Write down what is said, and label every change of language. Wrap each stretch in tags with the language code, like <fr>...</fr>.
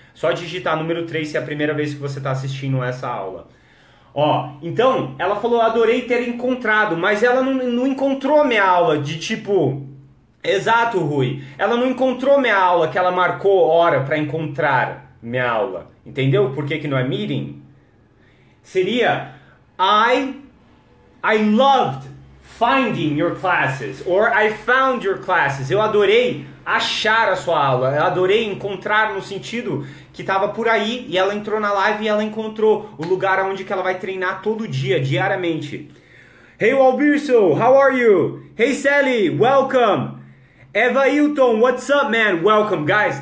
<pt>Só digitar número 3 se é a primeira vez que você está assistindo essa aula. Ó, então, ela falou, adorei ter encontrado, mas ela não encontrou a minha aula de tipo... Exato, Rui. Ela não encontrou minha aula que ela marcou hora para encontrar minha aula. Entendeu por que que não é meeting?</pt> <en>Seria, I loved finding your classes, or I found your classes.</en> <pt>Eu adorei achar a sua aula, eu adorei encontrar no sentido que estava por aí, e ela entrou na live e ela encontrou o lugar onde que ela vai treinar todo dia, diariamente.</pt> <en>Hey, Walbirso, how are you? Hey, Sally, welcome. Eva Hilton, what's up, man? Welcome, guys.</en>